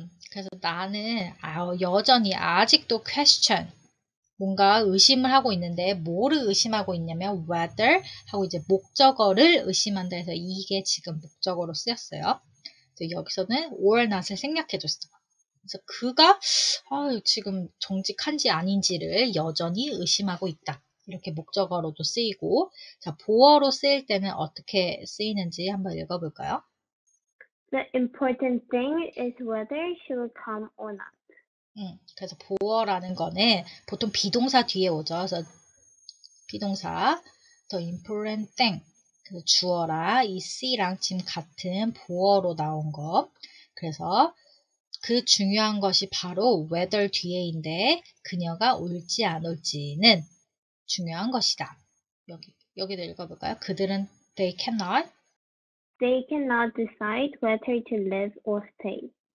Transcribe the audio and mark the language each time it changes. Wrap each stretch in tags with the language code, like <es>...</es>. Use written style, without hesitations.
<ko>그래서 나는 여전히 아직도 question 뭔가 의심을 하고 있는데 뭐를 의심하고 있냐면 whether 하고 이제 목적어를 의심한다 해서 이게 지금 목적어로 쓰였어요. 그래서 여기서는 or not을 생략해줬어. 그래서 그가 지금 정직한지 아닌지를 여전히 의심하고 있다. 이렇게 목적어로도 쓰이고 자, 보어로 쓰일 때는 어떻게 쓰이는지 한번 읽어볼까요?</ko> <en>The important thing is whether she will come or not.</en> <ko>그래서 보어라는 거는 보통 비동사 뒤에 오죠. 그래서 비동사, the important thing. 그래서 주어라, is랑 지금 같은 보어로 나온 거. 그래서 그 중요한 것이 바로 whether 뒤에인데 그녀가 올지 안 올지는 중요한 것이다. 여기도 읽어볼까요? 그들은</ko> <en>they cannot. They cannot decide whether to live or stay.</en>